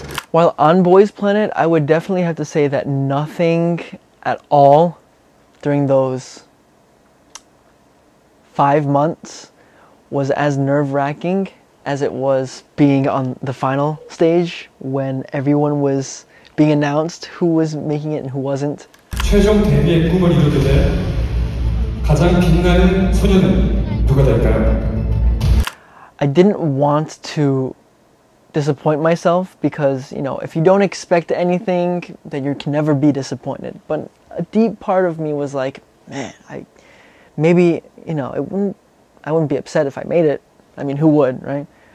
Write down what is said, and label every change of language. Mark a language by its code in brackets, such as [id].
[en] While on Boys Planet, I would definitely have to say that nothing at all during those 5 months was as nerve-wracking as it was being on the final stage when everyone was being announced who was making it and who wasn't. [ko] 최종 데뷔의 꿈을 이루게 가장 빛나는 소녀는 누가 될까요? [en] I didn't want to disappoint myself, because, you know, if you don't expect anything, then you can never be disappointed. But a deep part of me was like, man, I wouldn't be upset if I made it. I mean, who would, right?